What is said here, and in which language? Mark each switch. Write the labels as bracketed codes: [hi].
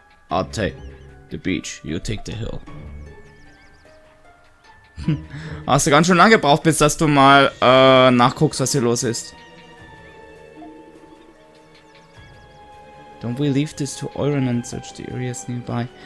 [en] I'll take the beach, you take the hill. [de] Hast du ganz schön lange gebraucht, bis dass du mal nachguckst, was hier los ist. [en] Don't we leave this to Oiran and search the areas nearby?